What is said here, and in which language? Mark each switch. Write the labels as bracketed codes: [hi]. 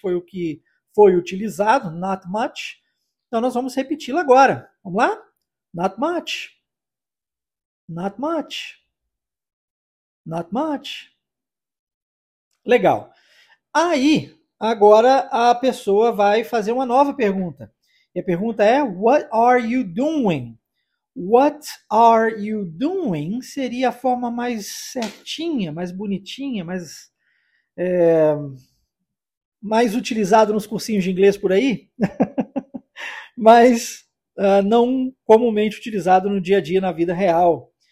[pt] Foi o que foi utilizado, [en] not much. [pt] Então, nós vamos repeti-la agora. Vamos lá? [en] Not much. Not much. Not much. [pt] Legal. Aí, agora a pessoa vai fazer uma nova pergunta. E a pergunta é: [en] What are you doing? What are you doing? [pt] Seria a forma mais certinha, mais bonitinha, mais utilizado nos cursinhos de inglês por aí, mas não comumente utilizado no dia a dia, na vida real.